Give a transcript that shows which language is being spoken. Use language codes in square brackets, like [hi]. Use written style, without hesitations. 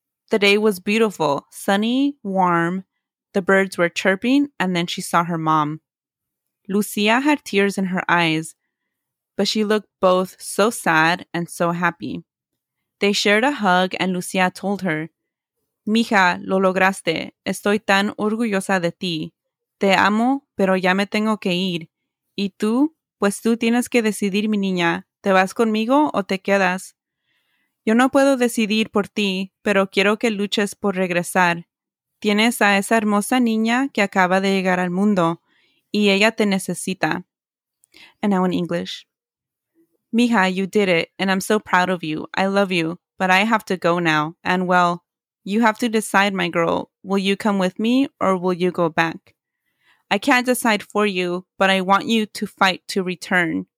[en] The day was beautiful, sunny, warm. The birds were chirping, and then she saw her mom. Lucia had tears in her eyes, but she looked both so sad and so happy. They shared a hug and Lucia told her, Mija, [es] lo lograste. Estoy tan orgullosa de ti. Te amo, pero ya me tengo que ir. Y tú, pues tú tienes que decidir, mi niña. ¿Te vas conmigo o te quedas? Yo no puedo decidir por ti, pero quiero que luches por regresar. Tienes a esa hermosa niña que acaba de llegar al mundo. Y ella te necesita. [en] And now in English. Mija, you did it, and I'm so proud of you. I love you, but I have to go now. And well, you have to decide, my girl. Will you come with me, or will you go back? I can't decide for you, but I want you to fight to return.